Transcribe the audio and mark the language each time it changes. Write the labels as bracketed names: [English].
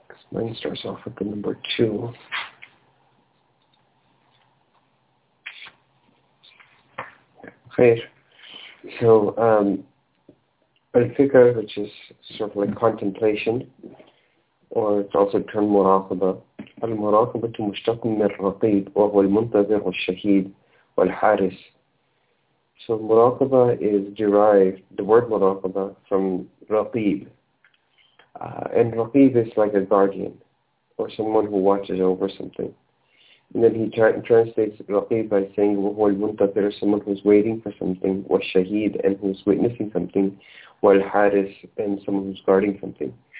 [English] Mine starts off with the number 2. Okay. So, al-fikr, which is sort of like contemplation, or it's also termed muraqaba. [Arabic] المراقبة مشتق من الرقيب وهو المنتظر والشهيد والحارس. [English] So المراقبة is derived, the word مراقبة, from رقيب. And رقيب is like a guardian or someone who watches over something. And then he translates رقيب by saying [Arabic] وهو المنتظر, [English] someone who's waiting for something, والشهيد, and who's witnessing something, والحارس, and someone who's guarding something.